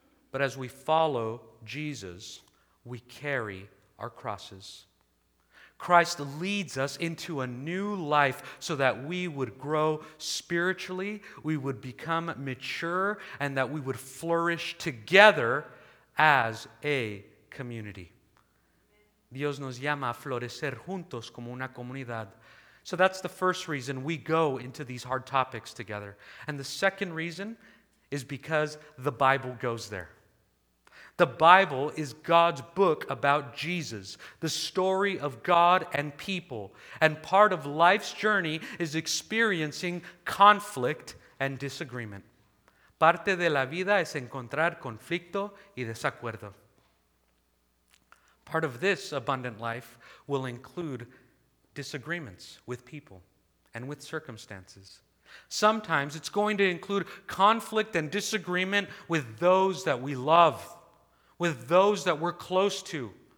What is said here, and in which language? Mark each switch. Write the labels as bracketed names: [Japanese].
[English] But as we follow Jesus, we carry our crosses. Christ leads us into a new life so that we would grow spiritually, we would become mature, and that we would flourish together as a community. [Spanish] Dios nos llama a florecer juntos como una comunidad. [English] So that's the first reason we go into these hard topics together. And the second reason is because the Bible goes there. The Bible is God's book about Jesus, the story of God and people. And part of life's journey is experiencing conflict and disagreement. [Spanish] Parte de la vida es encontrar conflicto y desacuerdo. [English] Part of this abundant life will include disagreements with people and with circumstances. Sometimes it's going to include conflict and disagreement with those that we love, with those that we're close to.